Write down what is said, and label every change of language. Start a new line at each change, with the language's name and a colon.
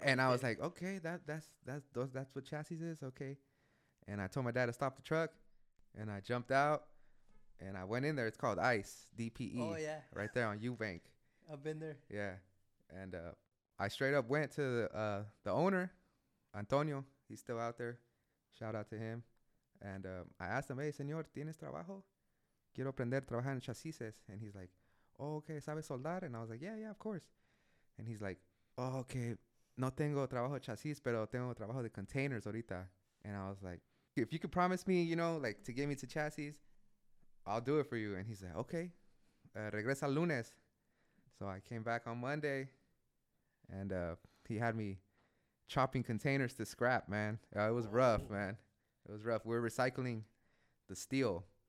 English: And I was like, okay, that's what chassis is, okay. And I told my dad to stop the truck, and I jumped out, and I went in there. It's called ICE, DPE. Oh, yeah. Right there on Eubank. I've been there. Yeah. And I straight up went to the owner, Antonio. He's still out there. Shout out to him. And I asked him, hey,
Spanish: señor, ¿tienes trabajo? Quiero aprender a trabajar en chasis.
English: And he's like, oh, okay,
Spanish: ¿sabes soldar?
English: And I was like, yeah, yeah, of course. And he's like, oh, okay,
Spanish: no tengo trabajo de chasis, pero tengo trabajo de containers ahorita.
English: And I was like, if you could promise me, you know, like, to get me to chasis, I'll do it for you. And he's like, okay,
Spanish: regresa lunes.
English: So I came back on Monday, and he had me chopping containers to scrap, man. It was rough, man. It was rough. We were recycling the steel.